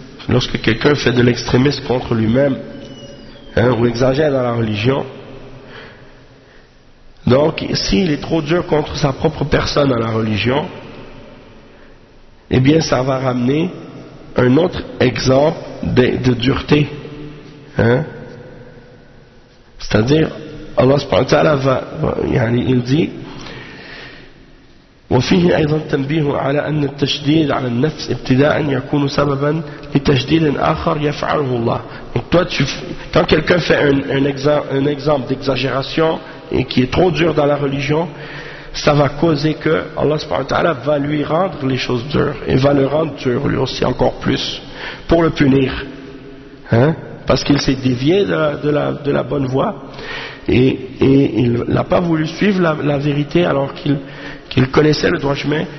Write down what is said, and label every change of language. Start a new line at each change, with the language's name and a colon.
French: Lorsque quelqu'un fait de l'extrémisme contre lui-même, ou exagère dans la religion, donc s'il est trop dur contre sa propre personne dans la religion, eh bien ça va ramener un autre exemple de dureté. C'est-à-dire, Allah subhanahu wa ta'ala il dit:
Arabic: وفيه أيضا تنبيه على أن التشديد على النفس ابتداء يكون سببا لتشديد آخر يفعله الله.
French: Donc toi, quand quelqu'un fait un exemple d'exagération et qui est trop dur dans la religion, ça va causer que Allah subhanahu wa ta'ala va lui rendre les choses dures et va le rendre dur lui aussi encore plus pour le punir, parce qu'il s'est dévié de la bonne voie et il n'a pas voulu suivre la vérité alors qu'il connaissait le droit chemin.